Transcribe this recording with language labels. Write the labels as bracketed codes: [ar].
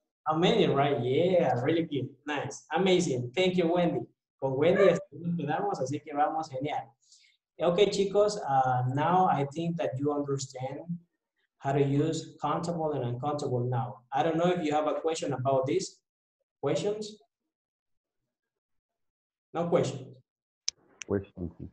[en] How many, right? Yeah, really good. Nice. Amazing. Thank you, Wendy. [es] con Wendy estamos quedamos, así que vamos genial. [en] Okay, chicos, now I think that you understand how to use countable and uncountable noun. I don't know if you have a question about this. Questions? No questions. Questions.